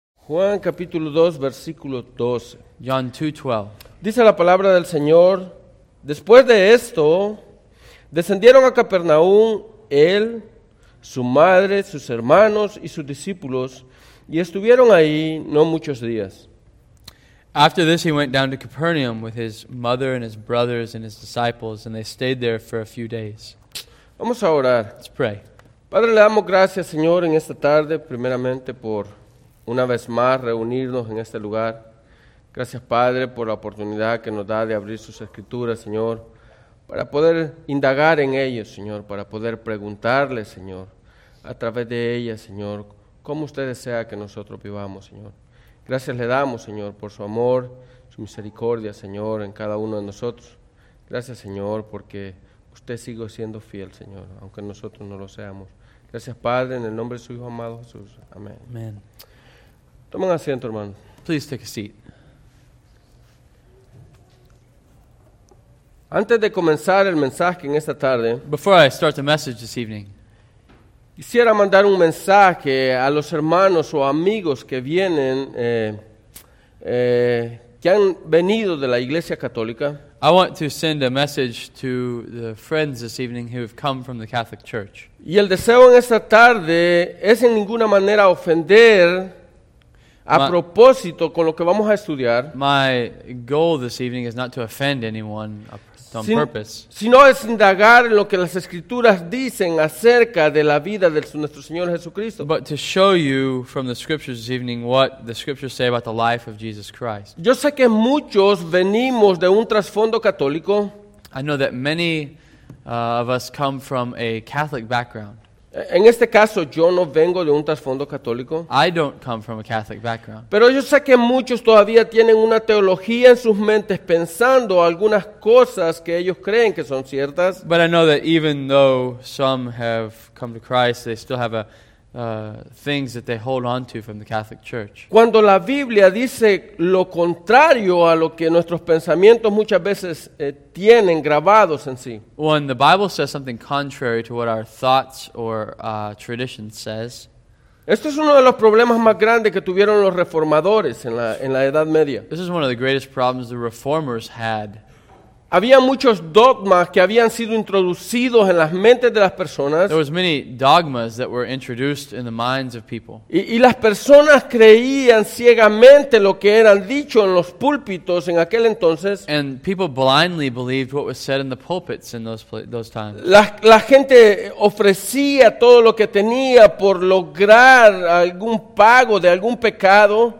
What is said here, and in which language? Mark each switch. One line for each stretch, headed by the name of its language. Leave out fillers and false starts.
Spanish: Juan capítulo 2, versículo 12.
English: John 2:12.
Spanish: Dice la palabra del Señor: después de esto, descendieron a Capernaum él, su madre, sus hermanos y sus discípulos, y estuvieron ahí no muchos días.
English: After this, he went down to Capernaum with his mother and his brothers and his disciples, and they stayed there for a few days.
Spanish: Vamos a orar.
English: Let's pray.
Spanish: Padre, le damos gracias, Señor, en esta tarde, primeramente por una vez más reunirnos en este lugar. Gracias, Padre, por la oportunidad que nos da de abrir sus escrituras, Señor, para poder indagar en ellos, Señor, para poder preguntarle, Señor, a través de ellas, Señor, cómo usted desea que nosotros vivamos, Señor. Gracias le damos, Señor, por su amor, su misericordia, Señor, en cada uno de nosotros. Gracias, Señor, porque usted sigue siendo fiel, Señor, aunque nosotros no lo seamos. Gracias, Padre, en el nombre de su Hijo amado Jesús. Amén.
English: Amen.
Spanish: Tomen asiento, hermano.
English: Please take a seat.
Spanish: Antes de comenzar el mensaje en esta tarde,
English: before I start the message this evening,
Spanish: quisiera mandar un mensaje a los hermanos o amigos que vienen, que han venido de la Iglesia Católica.
English: I want to send a message to the friends this evening who have come from the Catholic Church.
Spanish: Y el deseo en esta tarde es en ninguna manera ofender a propósito con lo que vamos a estudiar.
English: My goal this evening is not to offend anyone on purpose.
Spanish: Sino es indagar en lo que las Escrituras dicen acerca de la vida de nuestro Señor Jesucristo.
English: But to show you from the Scriptures this evening what the Scriptures say about the life of Jesus Christ.
Spanish: Yo sé que muchos venimos de un trasfondo católico.
English: I know that many of us come from a Catholic background.
Spanish: En este caso, yo no vengo de un trasfondo católico.
English: I don't come from a Catholic background.
Spanish: Pero yo sé que muchos todavía tienen una teología en sus mentes pensando algunas cosas que ellos creen que son ciertas.
English: But I know that even though some have come to Christ, they still have things that they hold on to from the Catholic Church.
Spanish: Cuando la Biblia dice lo contrario a lo que nuestros pensamientos muchas veces tienen grabados en sí.
English: When the Bible says something contrary to what our thoughts or tradition says.
Spanish: Esto es uno de los problemas más grandes que tuvieron los reformadores en la Edad Media.
English: This is one of the greatest problems the reformers had.
Spanish: Había muchos dogmas que habían sido introducidos en las mentes de las personas.
English: There was many dogmas that were introduced in the minds of people.
Spanish: Y las personas creían ciegamente lo que eran dicho en los púlpitos en aquel entonces.
English: And people blindly believed what was said in the pulpits in those times.
Spanish: La gente ofrecía todo lo que tenía por lograr algún pago de algún pecado.